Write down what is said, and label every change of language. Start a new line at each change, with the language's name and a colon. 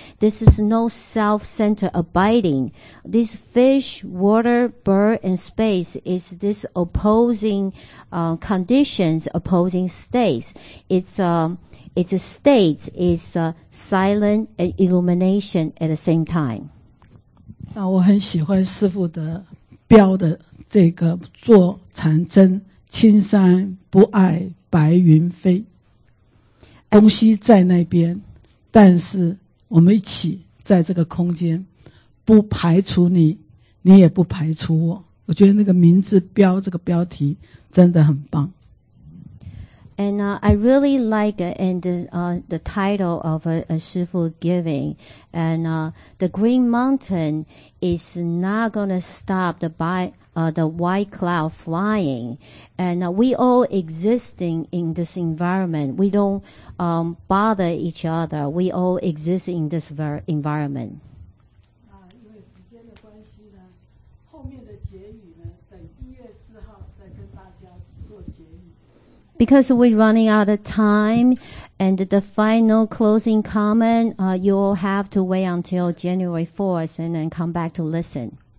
English: This is no self-centered abiding. This fish, water, bird, and space is this opposing, conditions, opposing states. It's a state, it's a silent and illumination at the same time.
Chinese: 那我很喜欢师父的标的这个坐禅针，青山不爱白云飞，东西在那边，但是我们一起在这个空间，不排除你，你也不排除我。我觉得那个名字标这个标题真的很棒。
English: And I really like and the title of a Shifu giving. And the green mountain is not gonna stop the white cloud flying. And we all existing in this environment. We don't bother each other. We all exist in this environment.
Chinese: 因为时间的关系呢，后面的结语呢，等1月4号再跟大家做结语。
English: Because we're running out of time, and the final closing comment, you'll have to wait until January 4th and then come back to listen.